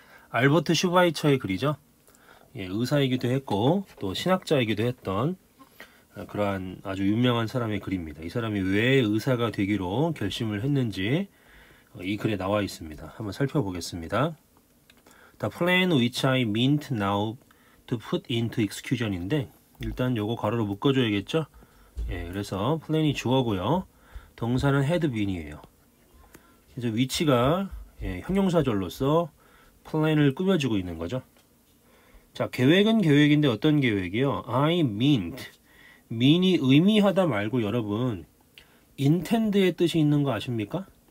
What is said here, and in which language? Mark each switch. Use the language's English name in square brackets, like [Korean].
[Korean] 알버트 슈바이처의 글이죠. 예, 의사이기도 했고, 또 신학자이기도 했던 그러한 아주 유명한 사람의 글입니다. 이 사람이 왜 의사가 되기로 결심을 했는지 이 글에 나와 있습니다. 한번 살펴보겠습니다. [English] The plan which I meant now to put into execution [Korean] 인데, 일단 요거 괄호로 묶어줘야겠죠? 예, 그래서 plan이 주어고요. 동사는 had been이에요. 그래서 위치가 예, 형용사절로서 plan을 꾸며주고 있는 거죠. 자, 계획은 계획인데 어떤 계획이요? [English] I meant. [Korean] mean이 의미하다 말고 여러분, intend의 뜻이 있는 거 아십니까?